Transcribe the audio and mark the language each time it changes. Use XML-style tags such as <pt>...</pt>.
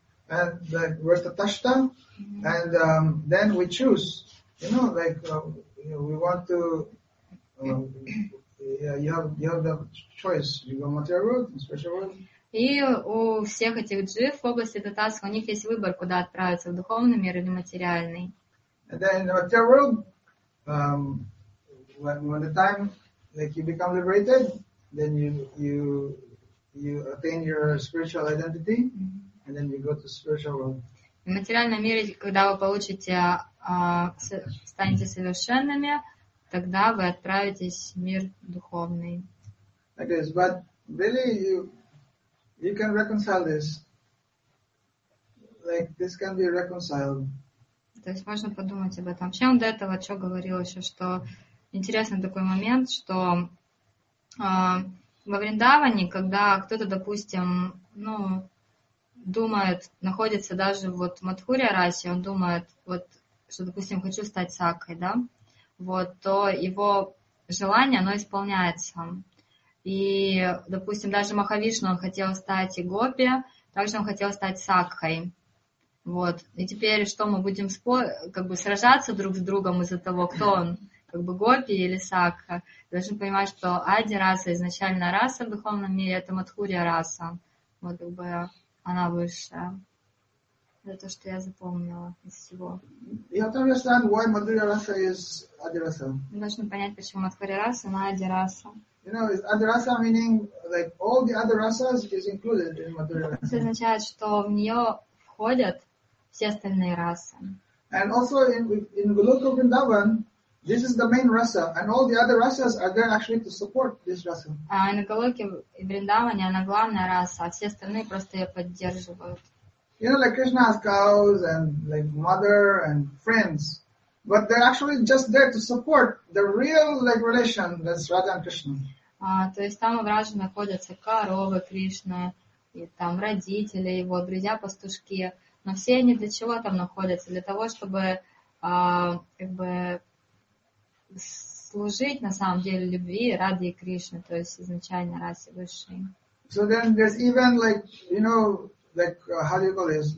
<en>And like we're Таташта, and then we choose, you know, like we want to, you have the choice, you go material world, special world.</en> <ru>И у всех этих джив в области Татасха у них есть выбор, куда отправиться, в духовный мир или материальный.</ru> <en>And then in the material world, when the time like you become liberated, then you attain your spiritual identity, and then you go to spiritual world.</en> <ru>В материальном мире, когда вы получите, станете совершенными, тогда вы отправитесь в мир духовный.</ru> <en>Like this, but really you can reconcile this. Like this can be reconciled.</en> <ru>То есть можно подумать об этом. Чем до этого, что говорил еще, что интересный такой момент, что во Вриндаване, когда кто-то, допустим, ну, думает, находится даже вот в Мадхурья Расе, он думает, вот, что, допустим, хочу стать сакхой, да, вот, то его желание, оно исполняется. И, допустим, даже Махавишну он хотел стать и гопи, также он хотел стать сакхой. Вот. И теперь что, мы будем как бы сражаться друг с другом из-за того, кто он, как бы гопи или сакха. Должны понимать, что ади раса, изначально раса в духовном мире, это Мадхурья раса. Вот как бы она высшая. Это то, что я запомнила из всего. Мы должны понять, почему Мадхурья раса, она ади раса.</ru> <en>You know, adrasa meaning like all the other rasas is included in material rasa.</en> <ru>Это означает, что в нее входят все остальные расы.</ru> <en>And also in Goloka Vrindavan, this is the main rasa, and all the other rasas are there actually to support this rasa.</en> <ru>А на Голоке и Вриндаване она главная раса, а все остальные просто ее поддерживают.</ru> <en>You know, like Krishna has cows and like mother and friends. But they're actually just there to support the real like relation that's Radha and Krishna.</en> <ru>То есть там в Радже находятся коровы Кришны, и там родители, его друзья, пастушки. Но все они для чего там находятся? Для того, чтобы как бы служить на самом деле любви Радхе и Кришне, то есть изначально расе высшей.</ru> <en>So then there's even like, you know, like how do you call this?</en>